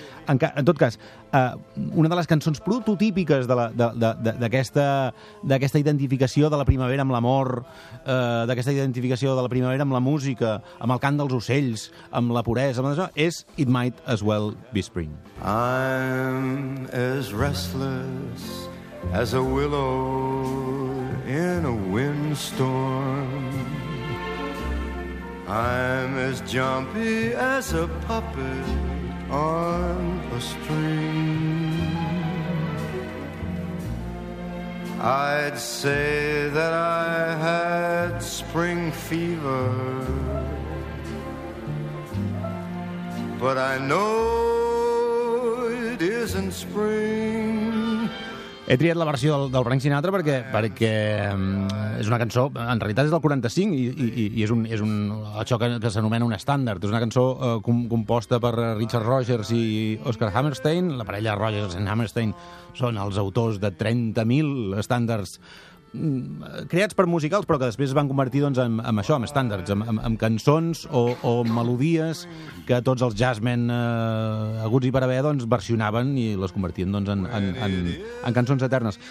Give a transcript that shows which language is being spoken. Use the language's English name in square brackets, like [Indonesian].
[Catalan] En tot cas, una de les cançons prototípiques d'aquesta identificació de la primavera amb l'amor, d'aquesta identificació de la primavera amb la música, amb el cant dels ocells, amb la puresa, amb això, és It Might As Well Be Spring. [English] I'm as restless as a willow in a windstorm. I'm as jumpy as a puppet on a string. I'd say that I had spring fever, but I know it isn't spring. [Catalan] He triat la versió del Frank Sinatra perquè és una cançó, en realitat és del 45 i és un això que s'anomena un estàndard. És una cançó composta per Richard Rodgers i Oscar Hammerstein. La parella Rodgers i Hammerstein són els autors de 30.000 estàndards creats per musicals, però que després es van convertir doncs, en això, en estàndards, en cançons o melodies que tots els jazzmen aguts i per haver doncs, versionaven i les convertien doncs, en cançons eternes.